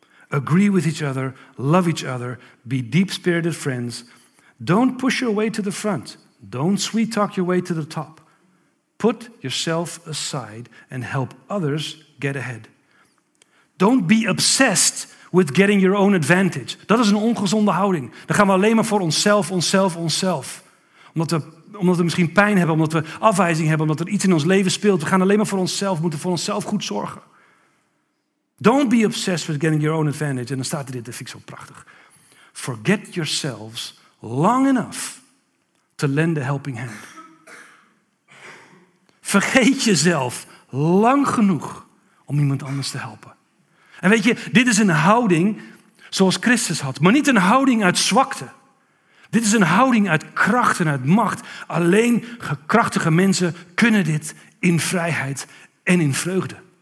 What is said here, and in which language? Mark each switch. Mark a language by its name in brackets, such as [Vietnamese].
[English] Agree with each other, love each other, be deep-spirited friends. Don't push your way to the front. Don't sweet-talk your way to the top. Put yourself aside and help others get ahead. Don't be obsessed with getting your own advantage. [Dutch] Dat is een ongezonde houding. Dan gaan we alleen maar voor onszelf, onszelf, onszelf. Omdat we misschien pijn hebben, omdat we afwijzing hebben, omdat er iets in ons leven speelt. We gaan alleen maar voor onszelf, moeten voor onszelf goed zorgen. [English] Don't be obsessed with getting your own advantage. [Dutch] En dan staat er dit, dat vind ik zo prachtig. [English] Forget yourselves long enough to lend a helping hand. [Dutch] Vergeet jezelf lang genoeg om iemand anders te helpen. En weet je, dit is een houding zoals Christus had. Maar niet een houding uit zwakte. Dit is een houding uit kracht en uit macht. Alleen gekrachtige mensen kunnen dit in vrijheid en in vreugde.